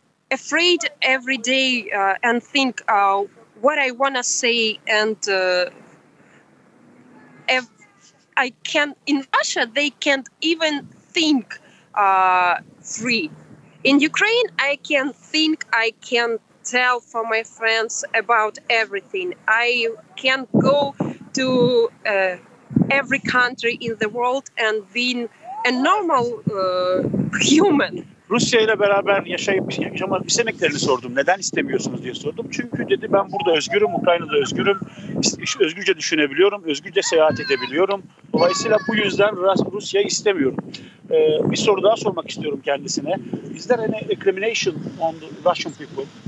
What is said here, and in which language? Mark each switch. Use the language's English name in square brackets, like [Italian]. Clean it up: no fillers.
[English] Afraid every day and think what I want to say and I can't, in Russia they can't even think free. In Ukraine I can think, I can tell for my friends about everything. I can go to every country in the world and be a normal human. [Turkish] Rusya ile beraber yaşamak istemeklerini sordum. Neden istemiyorsunuz diye sordum. Çünkü dedi ben burada özgürüm, Ukrayna'da özgürüm. Özgürce düşünebiliyorum, özgürce seyahat edebiliyorum. Dolayısıyla bu yüzden Rusya'yı istemiyorum. Bir soru daha sormak istiyorum kendisine. [English] Is there any discrimination on the Russian people?